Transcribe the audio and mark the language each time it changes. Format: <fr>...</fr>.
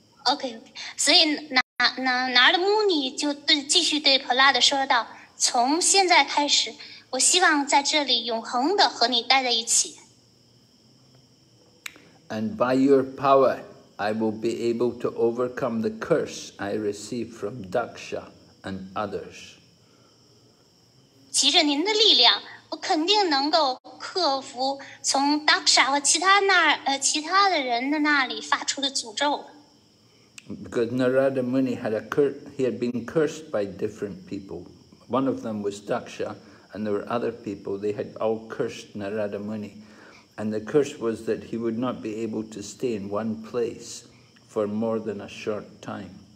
<en>Okay. So</en> <zh>Narada Muni 继续对 Prahlad 说道，从现在开始，我希望在这里永恒地和你待在一起。</zh> <en>And by your power, I will be able to overcome the curse I received from Daksha and others.</en> <zh>藉着您的力量，我肯定能够克服从 Daksha 和其他的人的那里发出的诅咒。</zh> <en>Because Narada Muni had been cursed by different people. One of them was Daksha. And there were other people, they had all cursed Narada Muni. And the curse was that he would not be able to stay in one place for more than a short time.</en>